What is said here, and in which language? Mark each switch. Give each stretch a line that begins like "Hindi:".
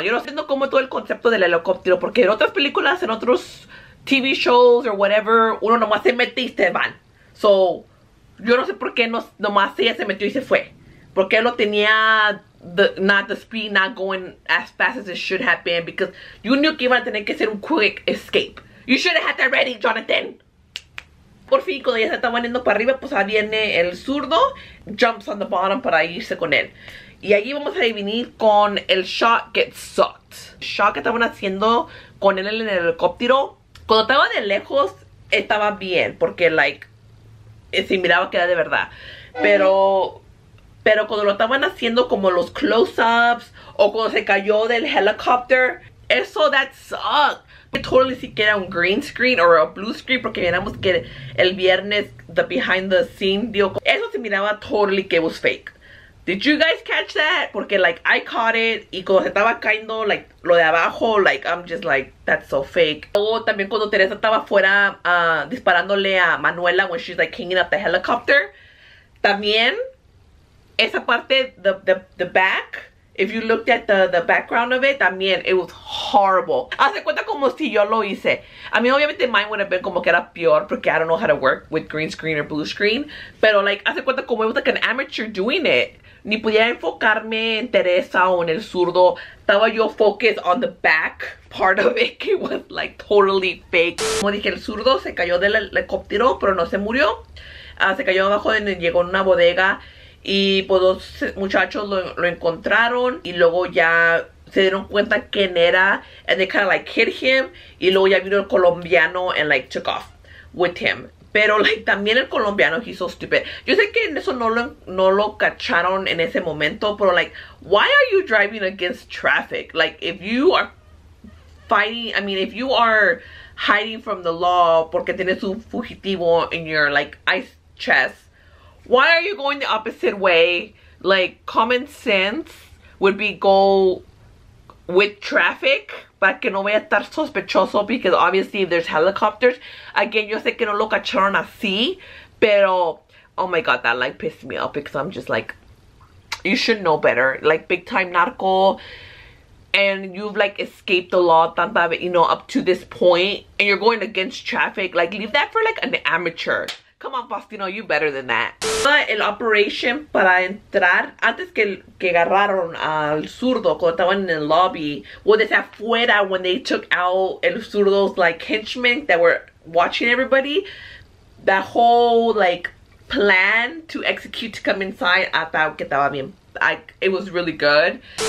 Spanish: Yo no entiendo cómo todo el concepto del helicóptero. Porque en otras películas, en otros
English: TV shows or whatever,
Spanish: uno nomás se mete y se van. So, yo no sé por qué nomás ella se metió y se fue. Porque lo tenía...
English: not the speed, not going as fast as it should have been because you knew
Spanish: que iba a tener que hacer un
English: quick escape. You should have had that ready, Jonathan.
Spanish: Por fin, cuando ya se estaban yendo para arriba, pues ahí viene el zurdo.
English: Jumps on the bottom
Spanish: para irse con él. Y ahí vamos a dividir con el shot que sucked. El shot que estaban haciendo con él en el helicóptero. Cuando estaba de lejos, estaba bien porque, like, se miraba que era de verdad. Pero cuando lo estaban haciendo como los close-ups o cuando se cayó del helicóptero, eso,
English: that sucked.
Spanish: Que totally si que era un green screen o un blue screen porque miramos que el viernes,
English: the behind the scene,
Spanish: dio. Eso se miraba
English: totally que was fake. Did you guys catch that? Porque, like, I caught it
Spanish: y cuando se estaba cayendo,
English: like,
Spanish: lo de abajo,
English: like, I'm just like, that's so fake.
Spanish: Luego también cuando Teresa estaba fuera disparándole a Manuela
English: when she's like hanging up the helicopter,
Spanish: también. Esa parte,
English: the back, if you looked at the background of it, también, it was horrible. Haz de cuenta como si yo lo hice.
Spanish: A mí, obviamente,
English: mine would have been
Spanish: como que era peor, porque
English: I don't know how to work with green screen or blue screen. Pero, like,
Spanish: haz de cuenta como
English: it was like an amateur doing it.
Spanish: Ni podía enfocarme en Teresa o en el zurdo. Estaba yo
English: focused on the back part of it,
Spanish: que
English: was, like, totally fake.
Spanish: Como dije, el zurdo se cayó del helicóptero, pero no se murió. Se cayó abajo y llegó en una bodega. Y pues dos muchachos lo encontraron y luego ya se dieron cuenta quién era
English: and they kind of like hit him
Spanish: y luego ya vino el colombiano
English: and like took off with him.
Spanish: Pero like también el colombiano
English: he's so stupid.
Spanish: Yo sé que en eso no lo cacharon en ese momento, pero like
English: why are you driving against traffic? Like if you are fighting, I mean if you are hiding from the law
Spanish: porque tienes un fugitivo
English: in your like ice chest. Why are you going the opposite way? Like, common sense would be go with traffic.
Spanish: Para que no vaya a estar sospechoso.
English: Because obviously there's helicopters.
Spanish: Again, yo sé que no lo cacharon así.
English: Pero, oh my god, that like pissed me off. Because I'm just like, you should know better. Like, big time narco. And you've like escaped the law, you know, up to this point. And you're going against traffic. Like, leave that for like an amateur. Come on, Faustino, you better than that. El operation
Spanish: para entrar antes que agarraron al zurdo cuando estaban en el lobby o desde afuera
English: when they took out el zurdo's like henchmen that were watching everybody that whole like plan to execute to come inside I thought
Spanish: que estaba bien
English: like it was really good.